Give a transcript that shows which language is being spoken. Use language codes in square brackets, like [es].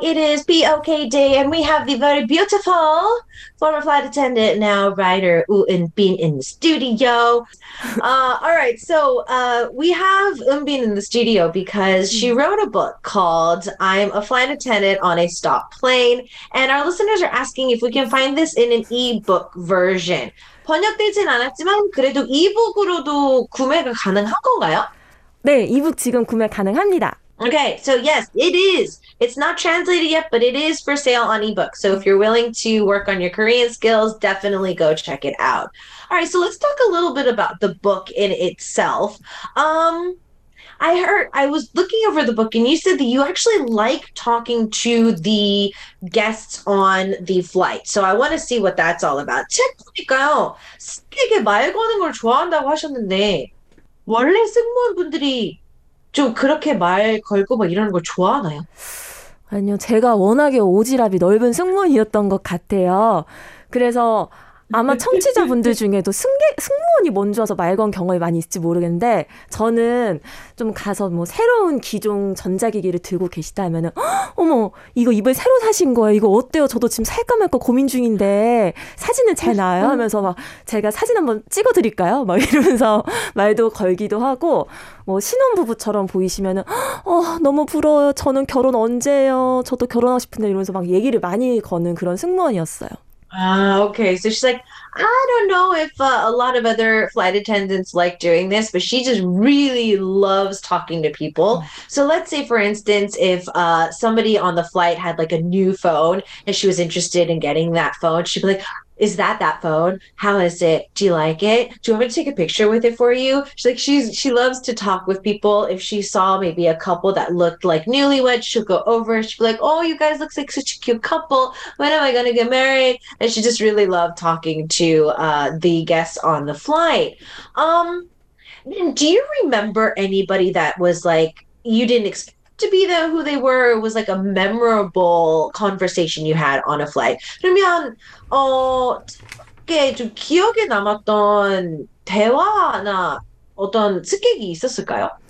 [en] It is POK Day, and we have the very beautiful former flight attendant, now writer, Eunbin in the studio. All right, so we have Eunbin in the studio because she wrote a book called I'm a Flight Attendant on a Stopped Plane, and our listeners are asking if we can find this in an e-book version. [ko] 번역되진 않았지만 그래도 e-book으로도 구매가 가능한 건가요? 네, 이북 지금 구매 가능합니다. [en] Okay, so yes, it is. It's not translated yet, but it is for sale on ebook. So if you're willing to work on your Korean skills, definitely go check it out. All right, so let's talk a little bit about the book in itself. I was looking over the book and you said that you actually like talking to the guests on the flight. So I want to see what that's all about. [ko] 책 보니까요, 되게 말 거는 걸 좋아한다고 하셨는데, 원래 승무원분들이 좀 그렇게 말 걸고 막 이러는 걸 좋아하나요? 아니요, 제가 워낙에 오지랖이 넓은 승무원이었던 것 같아요. 그래서 아마 청취자분들 중에도 승무원이 뭔지 알아서 말건 경험이 많이 있을지 모르겠는데, 저는 좀 가서 뭐 새로운 기종 전자기기를 들고 계시다면은, 어머, 이거 이번에 새로 사신 거예요? 이거 어때요? 저도 지금 살까 말까 고민 중인데, 사진은 잘 나와요? 하면서 막, 제가 사진 한번 찍어드릴까요? 막 이러면서 말도 걸기도 하고, 뭐 신혼부부처럼 보이시면은, 너무 부러워요. 저는 결혼 언제예요? 저도 결혼하고 싶은데 이러면서 막 얘기를 많이 거는 그런 승무원이었어요. [en] Okay, so she's like, I don't know if a lot of other flight attendants like doing this, but she just really loves talking to people. So let's say, for instance, if somebody on the flight had like a new phone and she was interested in getting that phone, she'd be like, is that phone? How is it? Do you like it? Do you want me to take a picture with it for you? She's like, she loves to talk with people. If she saw maybe a couple that looked like newlyweds, she'll go over. She'll be like, oh, you guys look like such a cute couple. When am I going to get married? And she just really loved talking to the guests on the flight. Do you remember anybody that was like, you didn't expect to be there who they were? It was like a memorable conversation you had on a flight. [ko] 그러면 특별하게 좀 기억에 남았던 대화나 어떤 습격이 있었을까요?